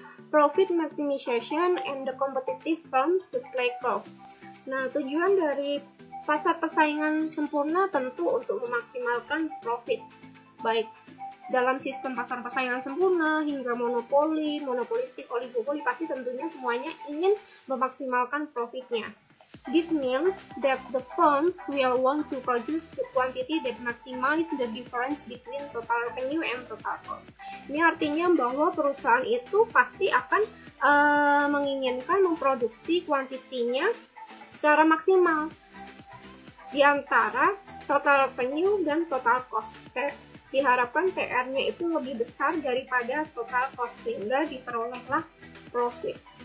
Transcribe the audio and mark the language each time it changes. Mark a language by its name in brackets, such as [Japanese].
[English] Profit maximization and the competitive firm supply curve. [Indonesian] Nah, tujuan dari pasar persaingan sempurna tentu untuk memaksimalkan profit, baik dalam sistem pasar persaingan sempurna hingga monopoli, monopolistik, oligopoli, pasti tentunya semuanya ingin memaksimalkan profitnya. [English] This means that the firms will want to produce the quantity that maximize the difference between total revenue and total cost. [Indonesian] Ini artinya bahwa perusahaan itu pasti akan menginginkan memproduksi kuantitinya secara maksimal di antara total revenue dan total cost. Diharapkan PR-nya itu lebih besar daripada total cost sehingga diperolehlah profit.